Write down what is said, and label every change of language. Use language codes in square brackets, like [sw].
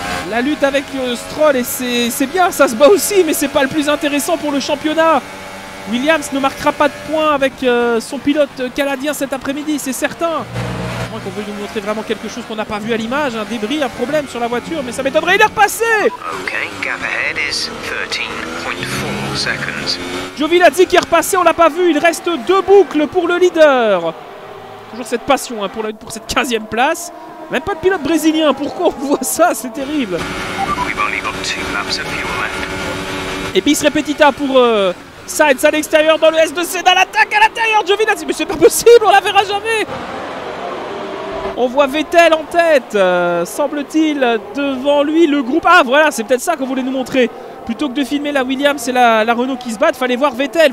[fr] La lutte avec Stroll, et c'est bien, ça se bat aussi, mais c'est pas le plus intéressant pour le championnat. Williams ne marquera pas de points avec son pilote canadien cet après-midi, c'est certain. À moins qu'on veuille nous montrer vraiment quelque chose qu'on n'a pas vu à l'image, un débris, un problème sur la voiture, mais ça m'étonnerait, il est repassé. [en] Okay, gap ahead is 13.4 seconds. [fr] Giovinazzi qui est repassé, on l'a pas vu, il reste deux boucles pour le leader. Toujours cette passion hein, pour, la, pour cette 15ème place. Même pas de pilote brésilien, pourquoi on voit ça, c'est terrible. [en] We've only got two laps of fuel left. [fr] Et bis repetita pour... Sainz à l'extérieur dans le S2C, dans l'attaque à l'intérieur, Giovinazzi, mais c'est pas possible, on la verra jamais. On voit Vettel en tête, semble-t-il, devant lui, le groupe. Ah voilà, c'est peut-être ça qu'on voulait nous montrer. Plutôt que de filmer la Williams et la Renault qui se battent, fallait voir Vettel.